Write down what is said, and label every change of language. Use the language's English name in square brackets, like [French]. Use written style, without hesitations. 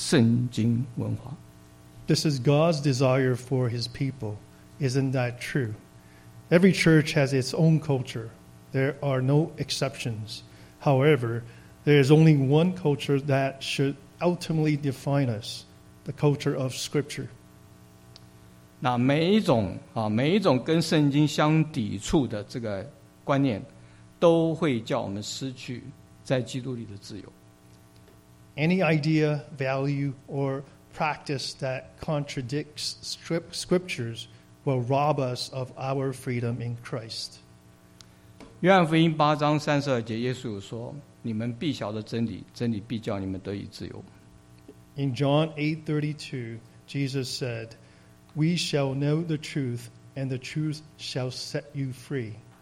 [Chinese] 每个教会都有它的文化，是没有例外的。但是真正要强调的只有一个文化，就是圣经文化。 [English] This is God's desire for his people. Isn't that true? Every church has its own culture. There are no exceptions. However, there is only one culture that should ultimately define us, the culture of Scripture. [Chinese] 那每一种跟圣经相抵触的这个观念，都会叫我们失去在基督里的自由。 [English] Any idea, value, or practice that contradicts Scriptures will rob us of our freedom in Christ. [Chinese] 约翰福音8章32节，耶稣有说， 你们必晓得真理，真理必叫你们得以自由。 [English] In John 8:32, Jesus said, "We shall know the truth, and the truth shall set you free."